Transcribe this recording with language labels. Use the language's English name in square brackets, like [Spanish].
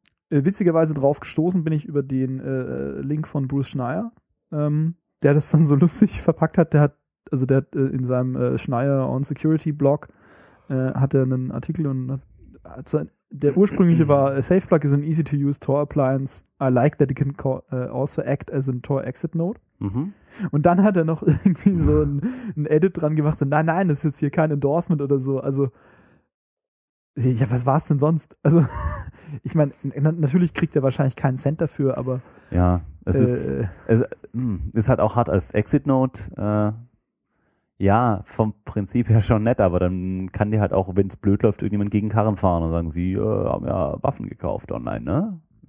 [German] Witzigerweise drauf gestoßen bin ich über den Link von Bruce Schneier, der das dann so lustig verpackt hat. Der hat in seinem Schneier on Security Blog hat er einen Artikel und der ursprüngliche war: [English] SafePlug is an easy to use Tor appliance. I like that it can also act as a Tor exit node. Mhm. [German] Und dann hat er noch irgendwie so ein Edit dran gemacht. So, nein, das ist jetzt hier kein Endorsement oder so. Also, ja, was war es denn sonst? Also, ich meine, natürlich kriegt er wahrscheinlich keinen Cent dafür, aber. Ja, es ist halt auch hart als Exit Node. Ja, vom Prinzip her schon nett, aber dann kann dir halt auch, wenn es blöd läuft, irgendjemand gegen Karren fahren und sagen, sie haben ja Waffen gekauft online, ne?